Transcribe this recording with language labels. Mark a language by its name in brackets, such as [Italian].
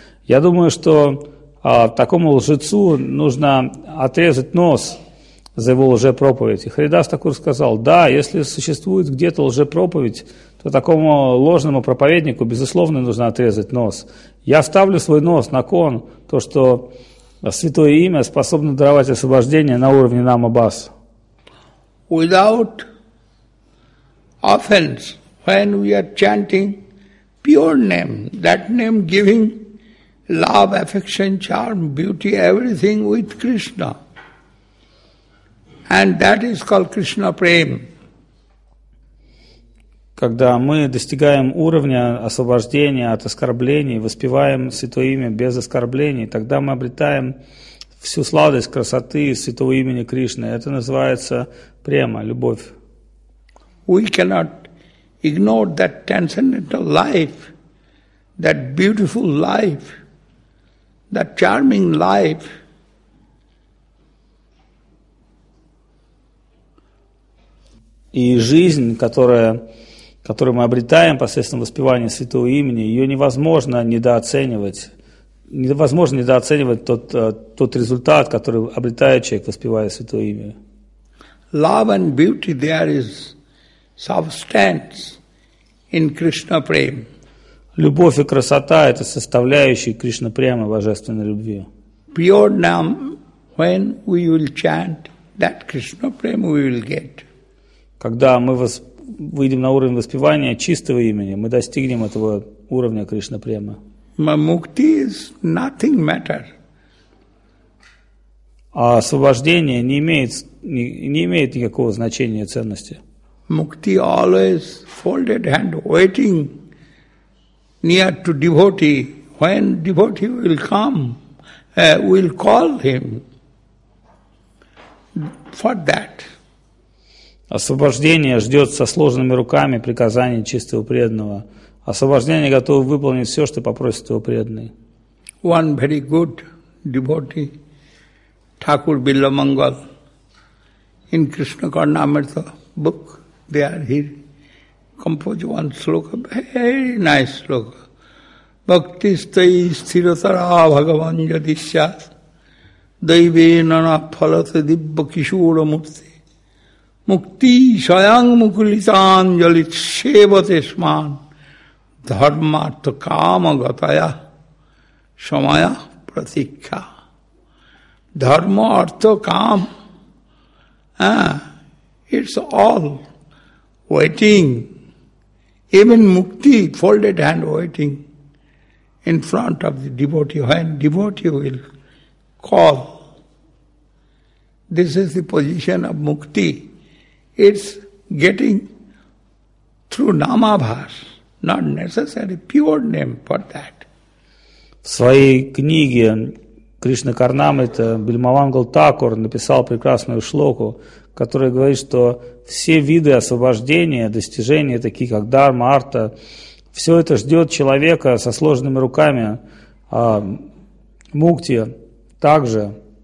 [Russian] Я думаю, что такому лжецу нужно отрезать нос за его лжепроповедь. И Харидас Такур сказал, да, если существует где-то лжепроповедь, то такому ложному проповеднику, безусловно, нужно отрезать нос. Я ставлю свой нос на кон, то, что святое имя способно даровать освобождение на уровне намабас. [English] Without offense, when we are chanting pure name, that name giving love, affection, charm, beauty, everything with Krishna. And that is called Krishna Prem. [Russian] Когда мы достигаем уровня освобождения от оскорблений, воспеваем святое имя без оскорблений, тогда мы обретаем всю сладость красоты святого имени Кришны. Это называется према, любовь. [English] We cannot ignore that transcendental life, that beautiful life, that charming life. [Russian] И жизнь, которую мы обретаем посредством воспевания святого имени, ее невозможно недооценивать. Невозможно недооценивать тот результат, который обретает человек, воспевая святое имя. [English] Love and beauty, there is substance in Krishna Prem. [Russian] Любовь и красота – это составляющие Кришна Према, божественной любви. [English] Pure name, when we will chant, that Krishna Prema we will get. [Russian] Когда мы выйдем на уровень воспевания чистого имени, мы достигнем этого уровня Кришна Према. [English] Мукти is nothing matter. [Russian] А освобождение не имеет никакого значения и ценности. [English] Мукти always folded hand waiting near to devotee. When devotee will come, will call him for that. [Russian] Освобождение ждет со сложенными руками приказаний чистого преданного. Освобождение готово выполнить все, что попросит его преданный. [English] One very good devotee, Thakur Billa Mangal, in Krishna Karnamrita book, they are here, compose one sloka, very nice sloka. [Sanskrit] Bhakti stai sthiratara bhagavan yadishyat, daivena na phalata dibba kishura murti, mukti sayang mukulitan jalit sevate sman, dharma to kama gataya, samaya pratikha. Dharma artha kam. [English] It's all waiting. Even mukti, folded hand waiting in front of the devotee. When devotee will call, this is the position of mukti. It's getting through namabhas, not necessary pure name for that. [Russian] Свои книги Кришна Карнамрита Бильмавангал Такур написал прекрасную шлоку, которая говорит, что все виды освобождения, достижения, такие как дхарма, артха, все это ждет человека со сложными руками, а мукти также.